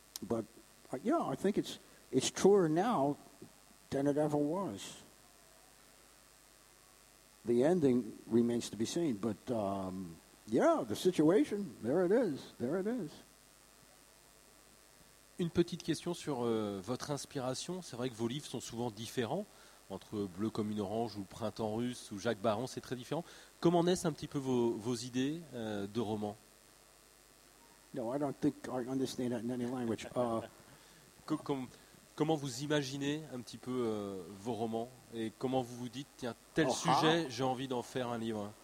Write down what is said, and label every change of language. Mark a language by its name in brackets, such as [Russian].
[English] I think it's truer now than it ever was. The ending remains to be seen, but the situation, there it is. [French] Une petite question sur votre inspiration. C'est vrai que vos livres sont souvent différents, entre Bleu comme une orange ou Printemps russe ou Jacques Baron, c'est très différent. Comment naissent un petit peu vos idées de roman? [English] No, I don't think I understand that in any language. [French] Comment vous imaginez un petit peu vos romans et comment vous vous dites, tiens, tel sujet, j'ai envie d'en faire un livre?